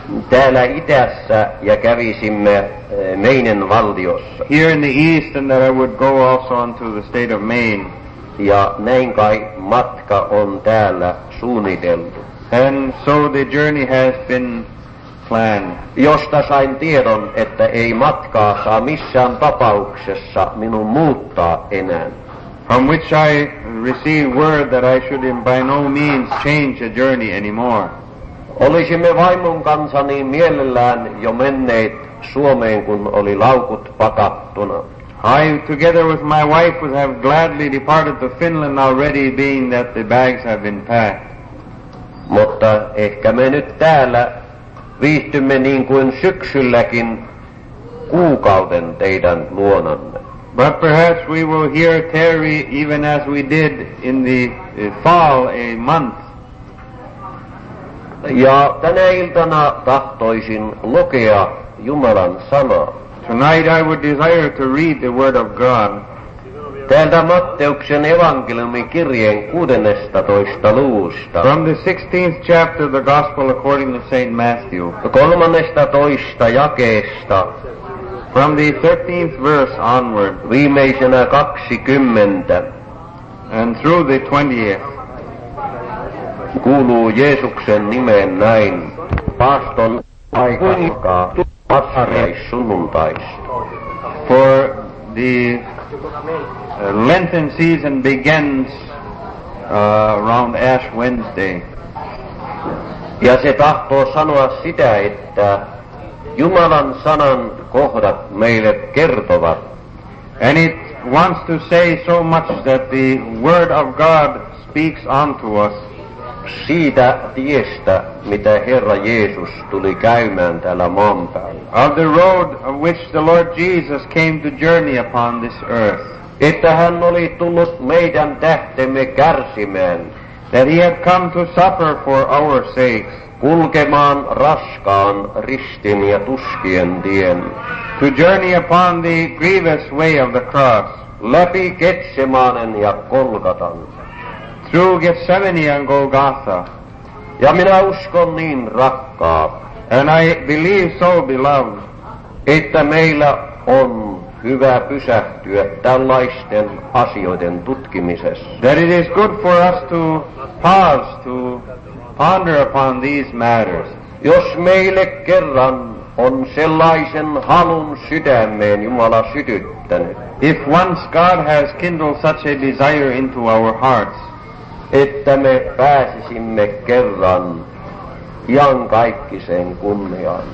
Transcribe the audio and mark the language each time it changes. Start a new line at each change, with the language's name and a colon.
Finnish: Täällä itässä ja kävisimme Mainen valtiossa.
English: Here in the east and that I would go also onto the state of Maine.
Finnish: Ja näin kai matka on täällä suunniteltu.
English: And so the journey has been planned.
Finnish: Josta sain tiedon, että ei matkaa saa missään tapauksessa minun muuttaa enää.
English: From which I received word that I should in by no means change a journey anymore.
Finnish: Olisimme vaimon kanssa niin mielellään jo menneet Suomeen, kun oli laukut pakattuna.
English: I, together with my wife, would have gladly departed to Finland already, being that the bags have been packed.
Finnish: Mutta ehkä me nyt täällä viihtymme niin kuin syksylläkin kuukauden teidän luonanne.
English: But perhaps we will here tarry even as we did in the fall a month.
Finnish: Ja tänä iltana tahtoisin lukea Jumalan sanaa.
English: Tonight I would desire to read the word of God.
Finnish: Täältä Matteuksen evankeliumin kirjeen 16. luvusta.
English: From the 16th chapter of the gospel according to St. Matthew.
Finnish: 13. jakeesta.
English: From the 13th verse onward.
Finnish: Viimeisenä 20.
English: And through the 20th.
Finnish: Kuuluu Jeesuksen nimeen näin. Paaston aika alkaa passareissunnuntaista.
English: For the Lenten season begins around Ash Wednesday.
Finnish: Ja se tahtoo sanoa sitä, että Jumalan sanan kohdat meille kertovat.
English: And it wants to say so much that the word of God speaks unto us.
Finnish: Siitä tiestä, mitä Herra Jeesus tuli käymään täällä maan päällä.
English: Of the road of which the Lord Jesus came to journey upon this earth.
Finnish: Että hän oli tullut meidän tähtemme kärsimään.
English: that he had come to suffer for our sake,
Finnish: kulkemaan raskaan ristin ja tuskien tien,
English: to journey upon the grievous way of the cross,
Finnish: läpi Getsemanen ja Golgatan,
English: through Gethsemane and Golgotha.
Finnish: Ja minä uskon niin, rakkaat,
English: and I believe so, beloved,
Finnish: että meillä on hyvä pysähtyä tällaisten asioiden tutkimisessa.
English: That it is good for us to pause, to ponder upon these matters.
Finnish: Jos meille kerran on sellaisen halun sydämeen Jumala sytyttänyt,
English: if once God has kindled such a desire into our hearts,
Finnish: että me pääsisimme kerran iankaikkiseen kunniaan,